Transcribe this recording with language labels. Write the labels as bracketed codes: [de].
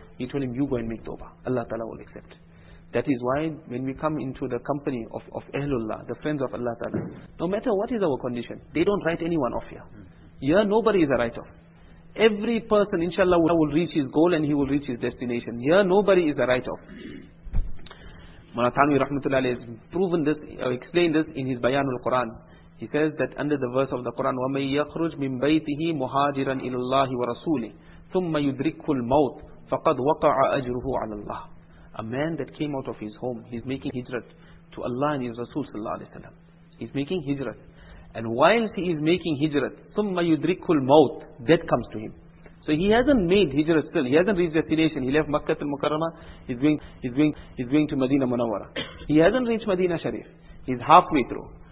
[en] He told him, you go and make tawbah, Allah Ta'ala will accept. That is why when we come into the company of Ahlullah, the friends of Allah Ta'ala, no matter what is our condition, they don't write anyone off here. Here nobody is a write-off. Every person, inshallah, will reach his goal and he will reach his destination. Here nobody is a write-off. Mawlana Thanwi rahmatullahi alayhi has proven this, explained this in his Bayanul Quran. He says that under the verse of the Quran, [ar] وَمَن يَخْرُجْ مِن بَيْتِهِ مُهَاجِرًا إِلَى اللَّهِ وَرَسُولِهِ ثُمَّ يُدْرِكُّ الْمَوْتِ فَقَدْ وَقَعَ أَجْرُهُ عَلَى اللَّهِ. [en] A man that came out of his home, he's making hijrat to Allah and his Rasul sallallahu alayhi wa sallam. He's making hijrat. And whilst he is making hijrat, [ar] ثُمَّ يُدْرِكُّ الْمَوْتِ, [en] death comes to him. So he hasn't made hijrah still. He hasn't reached destination. He left Makkah al-Mukarramah. He's going to Medina Munawwara. He hasn't reached Medina Sharif. He's halfway through.